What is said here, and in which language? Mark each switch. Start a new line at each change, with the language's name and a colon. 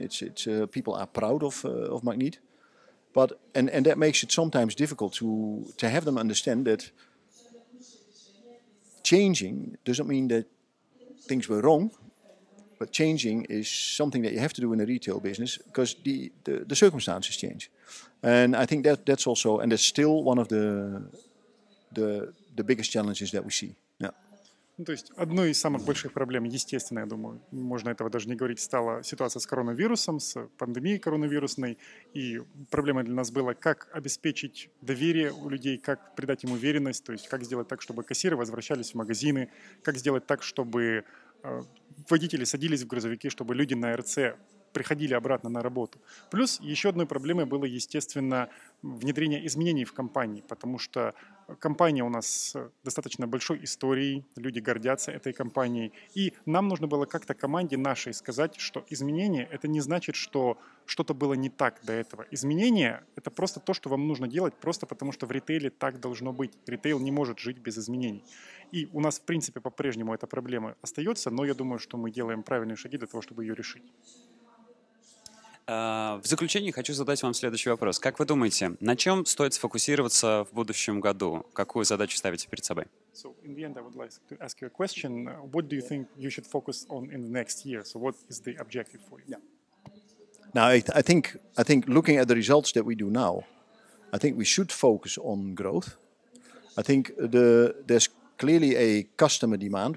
English: It's people are proud of Magnit. But and that makes it sometimes difficult to have them understand that changing doesn't mean that things were wrong, but changing is something that you have to do in a retail business because the circumstances change. And I think that's also and that's still one of the biggest challenges that we see.
Russian: Ну, то есть одной из самых больших проблем, естественно, я думаю, можно этого даже не говорить, стала ситуация с коронавирусом, с пандемией коронавирусной. И проблема для нас была, как обеспечить доверие у людей, как придать им уверенность, то есть как сделать так, чтобы кассиры возвращались в магазины, как сделать так, чтобы водители садились в грузовики, чтобы люди на РЦ приходили обратно на работу. Плюс еще одной проблемой было, естественно, внедрение изменений в компании, потому что компания у нас с достаточно большой историей, люди гордятся этой компанией. И нам нужно было как-то команде нашей сказать, что изменение — это не значит, что что-то было не так до этого. Изменение — это просто то, что вам нужно делать, просто потому что в ритейле так должно быть. Ритейл не может жить без изменений. И у нас, в принципе, по-прежнему эта проблема остается, но я думаю, что мы делаем правильные шаги для того, чтобы ее решить. В заключение хочу задать вам следующий вопрос. Как вы думаете, на чем стоит сфокусироваться в будущем году? Какую задачу ставите перед собой?
English: So in the end, I would like to ask you a question. What do you think you should focus on in the next year? So what is the objective for you? Yeah. Now I think looking at the results that we do now, I think we should focus on growth. I think there's clearly a customer demand.